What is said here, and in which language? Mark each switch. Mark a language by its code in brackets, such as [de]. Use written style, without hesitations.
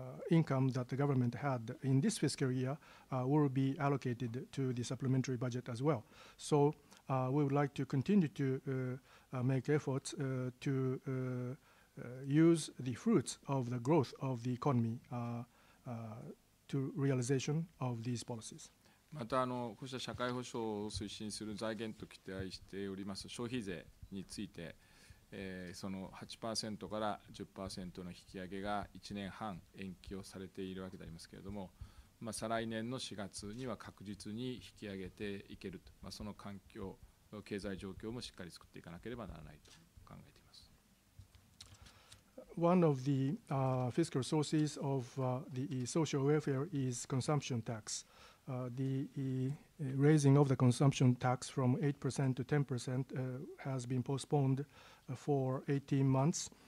[en] Income that the government had in this fiscal year will be allocated to the supplementary budget as well. So we would like to continue to make efforts to use the fruits of the growth of the economy to realization of these policies. [ja] また、こうした社会保障を推進する財源と期待しております消費税について、その 8% から 10% の引き上げが1年半延期をされているわけでありますけれども、まあ、再来年の4月には確実に引き上げていけると、まあ、その環境、経済状況もしっかり作っていかなければならないと考えています。 [en] One of the fiscal sources of the social welfare is consumption tax. The raising of the consumption tax from 8% to 10% has been postponed for 18 months.